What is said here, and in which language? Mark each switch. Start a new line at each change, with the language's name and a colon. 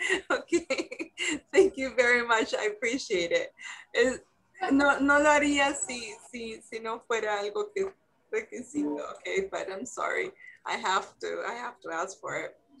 English: Ok, thank you very much, I appreciate it.
Spanish: No lo haría si no fuera algo que requisito.
English: Ok, but I'm sorry, I have to ask for it.